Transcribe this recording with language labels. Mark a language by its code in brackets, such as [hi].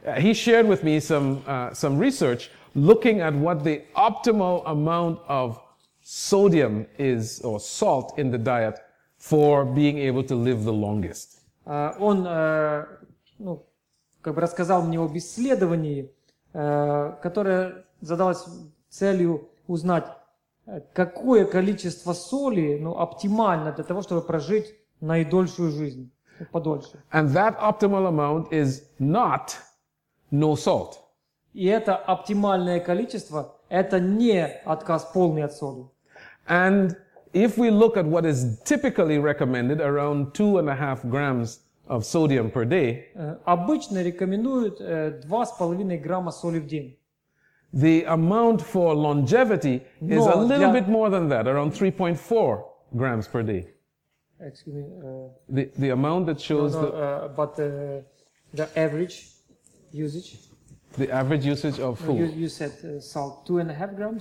[en] He shared with me some research looking at what the optimal amount of sodium is, or salt, in the diet for being able to live the longest. [ru] Он, ну, как бы рассказал мне об исследовании, которое задалось целью узнать, какое количество соли, ну, оптимально для того, чтобы прожить наидольшую жизнь, подольше. [en] And that optimal amount is not no salt. [ru] И это оптимальное количество, это не отказ полный от соли. [en] And if we look at what is typically recommended, around 2.5 grams of sodium per day. [ru] Обычно рекомендуют 2.5 грамма соли в день. [en] The amount for longevity is a little bit more than that, around 3.4 grams per day. Excuse me. The amount that shows the average usage. The average usage of food. You said salt, 2.5 grams?